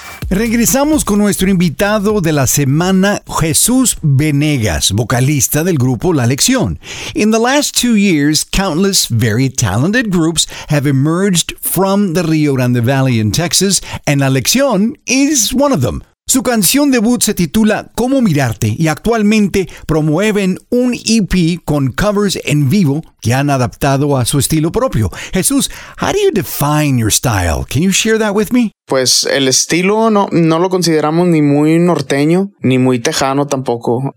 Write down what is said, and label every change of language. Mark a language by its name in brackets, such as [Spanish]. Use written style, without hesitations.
[Spanish] Regresamos con nuestro invitado de la semana, Jesús Venegas, vocalista del grupo La Lección. [English] In the last 2 years, countless very talented groups have emerged from the Rio Grande Valley in Texas, and La Lección is one of them. [Spanish] Su canción debut se titula Cómo Mirarte y actualmente promueven un EP con covers en vivo que han adaptado a su estilo propio. [English] Jesús, how do you define your style? Can you share that with me? [Spanish] Pues el estilo no lo consideramos ni muy norteño ni muy tejano tampoco.